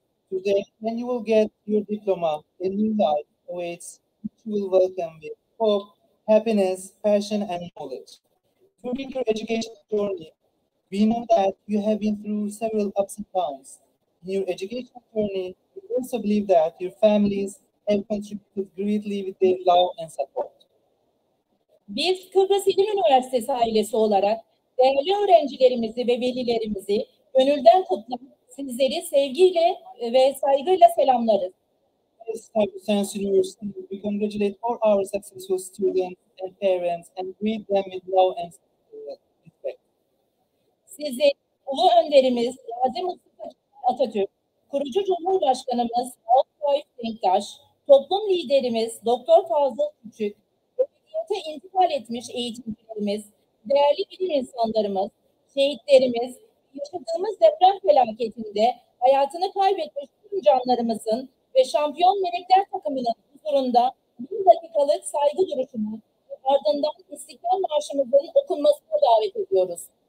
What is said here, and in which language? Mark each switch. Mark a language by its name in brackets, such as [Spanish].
[English] Today, when you will get your diploma, a new life awaits, which you will welcome with hope, happiness, passion, and knowledge. During your education journey, we know that you have been through several ups and downs. In your education journey, we also believe that your families have contributed greatly with their love and support. [Turkish] Biz Kıbrıs İlim Üniversitesi ailesi olarak değerli öğrencilerimizi ve velilerimizi gönülden kutluyoruz. Sizleri sevgiyle ve saygıyla selamlarız. [English] As Kıbrıs University, we congratulate all our successful students and parents and greet them with love and respect. [Turkish] Sizi ulu önderimiz Gazi Mustafa Atatürk, kurucu cumhurbaşkanımız Altay Denktaş, toplum liderimiz Doktor Fazıl Küçük, öğretimde intikal etmiş eğitimcilerimiz, değerli bilim insanlarımız, şehitlerimiz, yaşadığımız deprem felaketinde hayatını kaybetmiş tüm canlarımızın ve şampiyon melekler takımının huzurunda 1 dakikalık saygı duruşunu ardından istiklal marşımızın okunmasına davet ediyoruz.